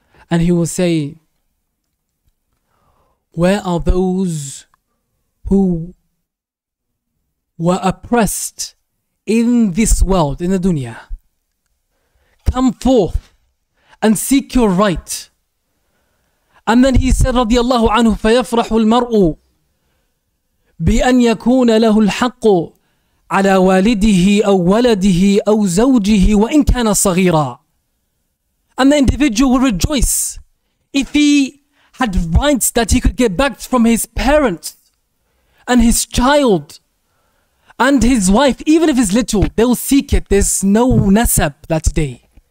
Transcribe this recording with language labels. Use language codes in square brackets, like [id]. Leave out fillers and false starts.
[en] And he will say, where are those who were oppressed in this world, in the dunya? Come forth and seek your right And then he said [ar] رضي الله عنه فيفرح المرء بأن يكون له الحق على والده أو ولده أو زوجه وإن كان صغيرا. [en] And the individual will rejoice if he had rights that he could get back from his parents and his child and his wife, even if it's little, they will seek it. There's no nasab that day.